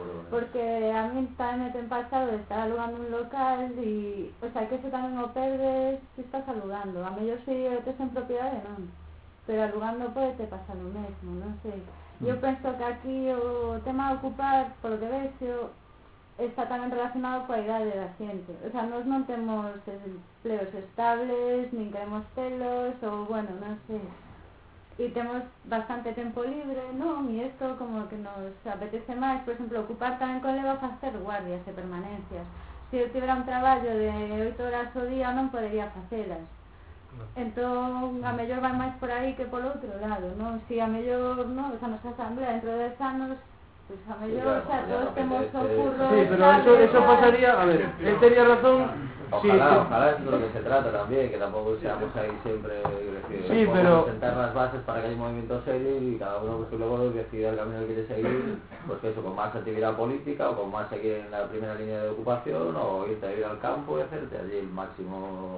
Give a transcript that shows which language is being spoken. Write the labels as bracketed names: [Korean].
[Galician] Porque a mí tamén me ten pasado de estar alugando un local e, o sea, que se tamén o perdes se estás alugando. A mellor si o tes en propiedade, non. Pero alugando pode te pasar o mesmo, non sei. Eu penso que aquí o tema de ocupar, polo que vexo, está tamén relacionado coa idade da xente. O sea, nos non temos empleos estables, nin queremos telos, ou bueno, non sei. E temos bastante tempo libre, non? E isto como que nos apetece máis, por exemplo, ocupar tamén con leva facer guardias e permanencias. Se eu tivera un traballo de 8 horas o día, non podería facelas. Entón, a mellor vai máis por aí que polo outro lado, non? Se a mellor, non? Esa nosa asamblea dentro de 10 anos, pues a mí [Spanish] yo, claro, o sea, todos tenemos ocurro. Sí, pero eso pasaría, a ver, él tenía razón. Ojalá, sí, ojalá es lo que se trata también, que tampoco seamos ahí siempre, decir, sí, pero sentar las bases para que haya un movimiento serio y cada uno pues luego decida el camino que quiere seguir, pues eso, con más actividad política o con más seguir en la primera línea de ocupación o irte a vivir al campo y hacerte allí el máximo.